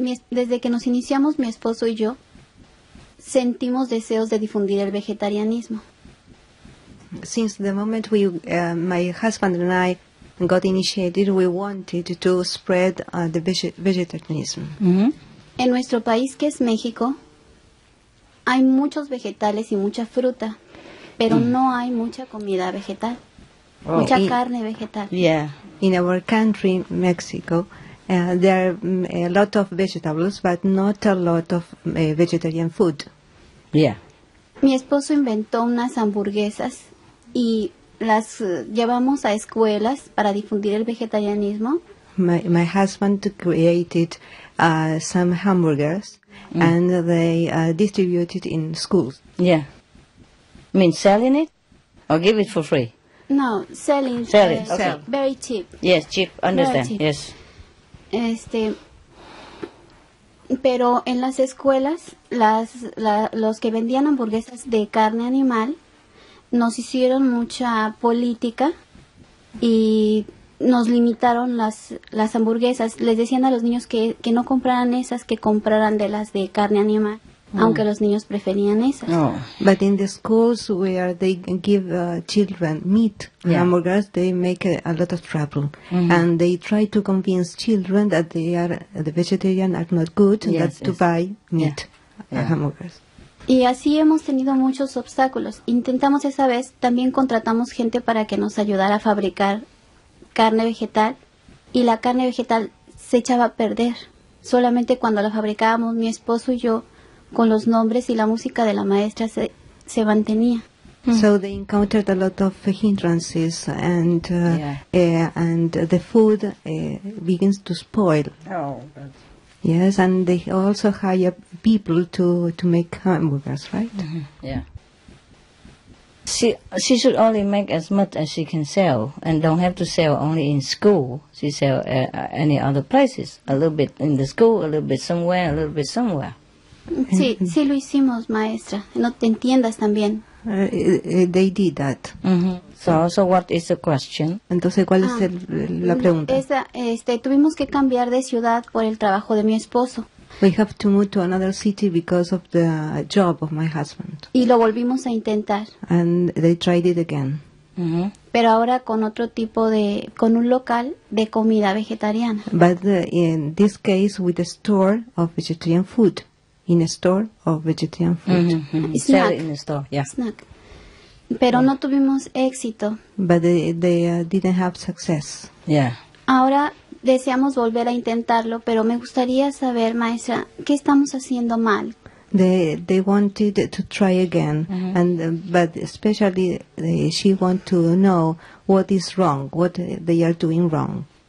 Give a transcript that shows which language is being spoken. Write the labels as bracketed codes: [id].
[es] Desde que nos iniciamos, mi esposo y yo, sentimos deseos de difundir el vegetarianismo. [en] Since the moment we, my husband and I, got initiated, we wanted to spread the vegetarianism. Mm-hmm. [es] En nuestro país, que es México, hay muchos vegetales y mucha fruta, pero no hay mucha comida vegetal, mucha carne vegetal. [en] Yeah. In our country, Mexico, there are a lot of vegetables, but not a lot of vegetarian food. Yeah. [es] Mi esposo inventó unas hamburguesas y las llevamos a escuelas para difundir el vegetarianismo. [en] My husband created some hamburgers and they distributed in schools. Yeah. Mean selling it or give it for free? No, selling. Sell it. Okay. Very cheap. Yes, cheap. Understand. Cheap. Yes. [es] Pero en las escuelas, los que vendían hamburguesas de carne animal nos hicieron mucha política y nos limitaron las hamburguesas. Les decían a los niños que no compraran esas, que compraran de las de carne animal, aunque los niños preferían esas. No. [en] But in the schools where they give children meat, hamburgers, they make a lot of trouble. Mm-hmm. And they try to convince children that they are the vegetarian are not good, to buy meat, hamburgers. [es] Y así hemos tenido muchos obstáculos. Intentamos esa vez, también contratamos gente para que nos ayudara a fabricar carne vegetal, y la carne vegetal se echaba a perder. Solamente cuando la fabricábamos, mi esposo y yo, con los nombres y la música de la maestra, se mantenía. [en] So they encountered a lot of hindrances, and and the food begins to spoil. Yes, and they also hire people to make hamburgers, right? Mm-hmm. Yeah. She should only make as much as she can sell, and don't have to sell only in school. She sell at any other places, a little bit in the school, a little bit somewhere, a little bit somewhere. [es] Sí, sí lo hicimos, maestra. No te entiendas también. [en] They did that. Mm-hmm. So what is the question? [es] Entonces, ¿cuál es la pregunta? Tuvimos que cambiar de ciudad por el trabajo de mi esposo. [en] We have to move to another city because of the job of my husband. [es] Y lo volvimos a intentar. [en] And they tried it again. Mm-hmm. [es] Pero ahora con otro tipo de, con un local de comida vegetariana. [en] But in this case with a store of vegetarian food. In a store of vegetarian food. Mm-hmm. Snack. Sell it in a store, yeah. [es] Snack. Pero no tuvimos éxito. [en] But they didn't have success. Yeah. [es] Ahora deseamos volver a intentarlo, pero me gustaría saber, maestra, ¿qué estamos haciendo mal? [en] They wanted to try again, and but especially she want to know what is wrong, what they are doing wrong.